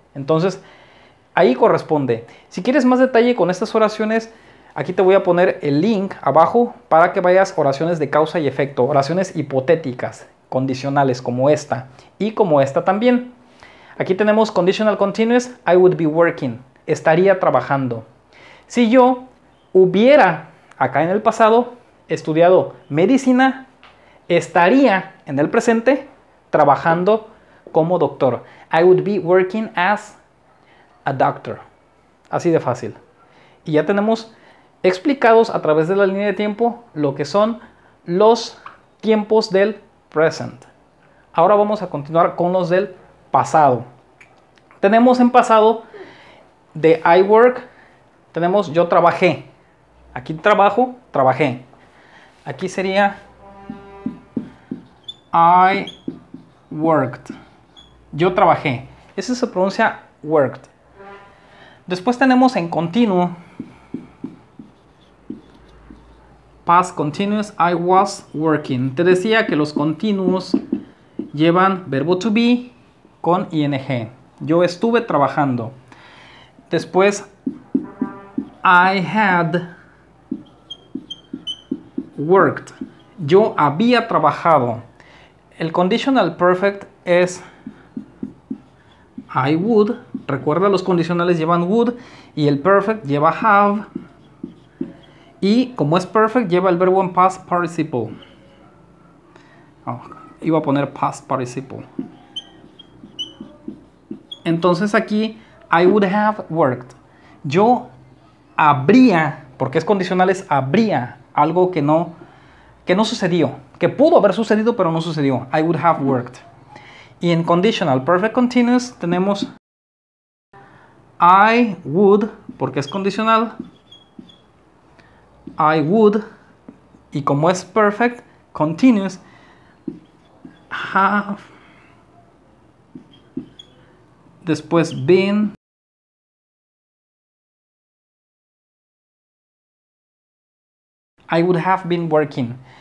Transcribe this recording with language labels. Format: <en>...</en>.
<es>Entonces, ahí corresponde. Si quieres más detalle con estas oraciones, aquí te voy a poner el link abajo para que vayas oraciones de causa y efecto, oraciones hipotéticas, condicionales como esta y como esta también. Aquí tenemos</es> <en>conditional continuous, I would be working,</en> <es>estaría trabajando. Si yo hubiera, acá en el pasado, estudiado medicina, estaría en el presente trabajando como doctor.</es> <en>I would be working as a doctor.</en> <es>Así de fácil. Y ya tenemos explicados a través de la línea de tiempo lo que son los tiempos del present. Ahora vamos a continuar con los del pasado. Tenemos en pasado de</es> <en>I work,</en> <es>tenemos yo trabajé. Aquí trabajo, trabajé. Aquí sería</es> <en>I worked.</en> <es>Yo trabajé. Ese se pronuncia worked. Después tenemos en continuo,</es> <en>past continuous, I was working.</en> <es>Te decía que los continuos llevan verbo to be con ing. Yo estuve trabajando. Después,</es> <en>I had worked.</en> <es>Yo había trabajado. El</es> <en>conditional perfect</en> <es>es</es> <en>I would.</en> <es>Recuerda, los condicionales llevan would y el perfect lleva have. Y como es perfect, lleva el verbo en</es> <en>past participle.</en> <es>Oh, iba a poner</es> <en>past participle.</en> <es>Entonces aquí,</es> <en>I would have worked.</en> <es>Yo habría, porque es condicional, es habría, algo que no sucedió. Que pudo haber sucedido, pero no sucedió.</es> <en>I would have worked.</en> <es>Y en</es> <en>conditional perfect continuous</en> <es>tenemos I would, porque es condicional, I would, y como es</es> <en>perfect continuous, have,</en> <es>después been,</es> <en>I would have been working.</en>